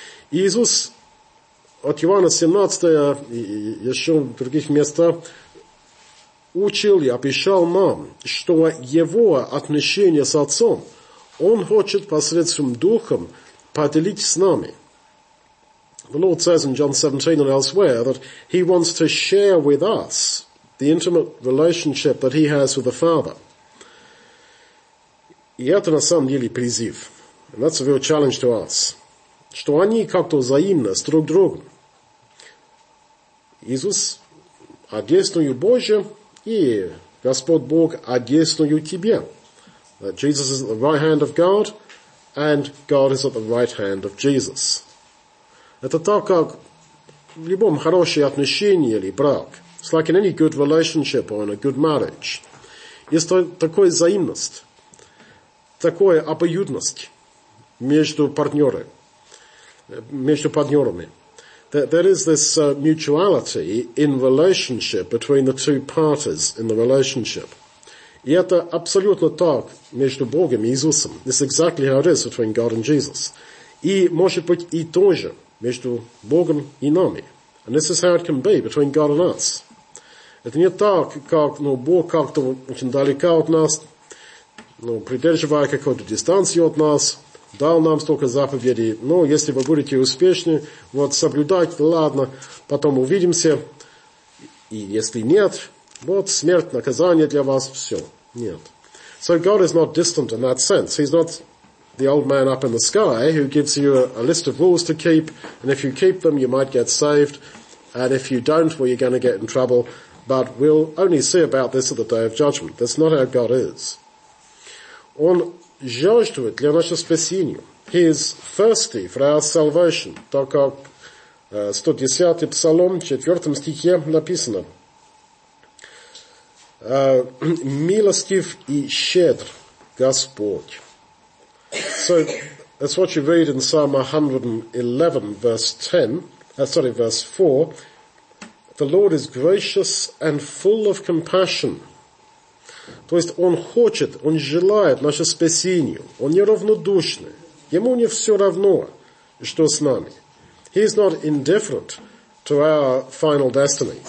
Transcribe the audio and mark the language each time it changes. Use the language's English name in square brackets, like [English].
[Russian] Иисус от Иоанна 17 и еще в других местах учил и обещал нам, что его отношение с Отцом, он хочет посредством Духом поделить с нами. [English] The Lord says in John 17 and elsewhere that he wants to share with us the intimate relationship that he has with the Father. [Russian] И это на самом деле призыв. [English] And that's a real challenge to us. [Russian] Что они как-то взаимны с друг другом. Иисус одесную Божию, и Господь Бог одесную тебе. [English] That Jesus is at the right hand of God, and God is at the right hand of Jesus. [Russian] Это так, как в любом хорошем отношении или брак. [English] It's like in any good relationship or in a good marriage. [Russian] Есть такая взаимность. Такая обоюдность между партнерами. Между партнерами. [English] There is this mutuality in relationship between the two parties in the relationship. [Russian] И это абсолютно так между Богом и Иисусом. [English] This is exactly how it is between God and Jesus. [Russian] И может быть и тоже между Богом и нами. [English] And this is how it can be between God and us. [Russian] Это не так, как, ну, Бог как-то очень далеко от нас, ну, придерживая какую-то дистанцию от нас, дал нам столько заповедей. Ну, если вы будете успешны, вот, соблюдать, ладно, потом увидимся. И если нет, вот, смерть, наказание для вас, все. Нет. [English] So God is not distant in that sense. He's not the old man up in the sky who gives you a list of rules to keep, and if you keep them, you might get saved, and if you don't, well, you're going to get in trouble. But we'll only see about this at the day of judgment. That's not how God is. [Russian] Он жаждует для нашего спасения. [English] He is thirsty for our salvation. [Russian] Так как 110-й Псалом, 4 стихе написано. Милостив и щедр Господь. [English] So, that's what you read in Psalm 111, verse 4. The Lord is gracious and full of compassion. [Russian] То есть он хочет, он желает наше спасение. Он неравнодушный. Ему не все равно, что с нами. [English] He is not indifferent to our final destiny.